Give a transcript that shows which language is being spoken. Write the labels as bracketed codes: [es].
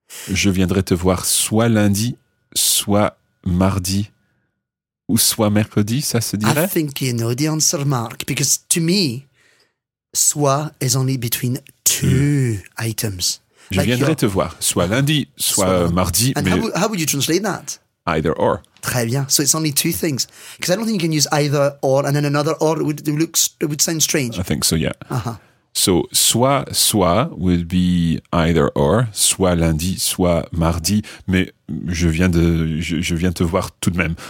[fr] Je viendrai te voir soit lundi, soit mardi, ou soit mercredi, ça se dirait? [en] I think you know the answer, Mark, because to me, soit is only between... Two items. [fr] Je viendrai te voir, soit lundi, soit mardi. [en] And [fr] mais [en] how would you translate that? Either or. [fr] Très bien. [en] So it's only two things. Because I don't think you can use either or and then another or. It would sound strange. I think so, yeah. Uh-huh. So [fr] soit [en] would be either or, [fr] soit lundi, soit mardi, mais je viens te voir tout de même.